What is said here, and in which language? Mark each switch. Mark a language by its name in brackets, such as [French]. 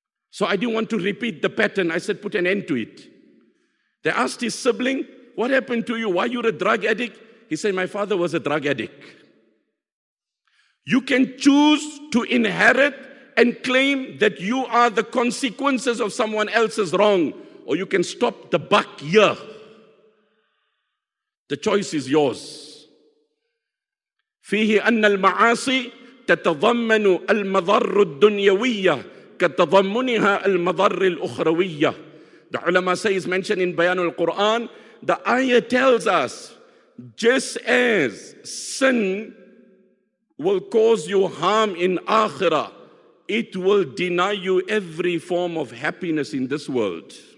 [English] So I didn't want to repeat the pattern. I said, put an end to it. They asked his sibling, what happened to you? Why you're a drug addict? He said, my father was a drug addict. You can choose to inherit and claim that you are the consequences of someone else's wrong, or you can stop the buck here. The choice is yours. [Arabic] فيه أن المعاصي تتضمن المضر الدنيوية كتضمنها المضر الأخروية. [English] The ulama says, mentioned in Bayan al-Quran, the ayah tells us, just as sin will cause you harm in akhirah, it will deny you every form of happiness in this world.